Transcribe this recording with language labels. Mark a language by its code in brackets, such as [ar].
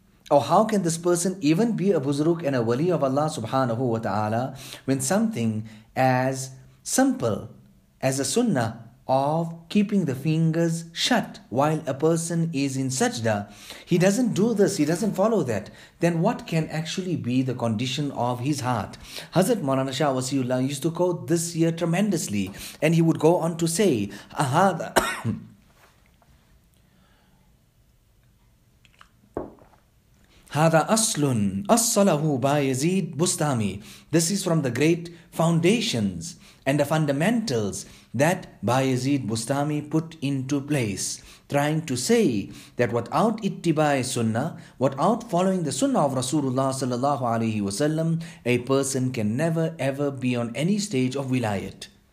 [en] Or how can this person even be a buzruk and a wali of Allah subhanahu wa ta'ala when something as simple as a sunnah of keeping the fingers shut while a person is in sajda, he doesn't do this, he doesn't follow that, then what can actually be the condition of his heart? Hazrat Maulana Shah Wasiullah used to quote this year tremendously, and he would go on to say, ahada. [ar] هذا أصل أصله بايزيد بستامي. [en] This is from the great foundations and the fundamentals that Bayezid Bustami put into place, trying to say that without ittiba'i sunnah, without following the sunnah of Rasulullah sallallahu alaihi wasallam, a person can never ever be on any stage of wilayat.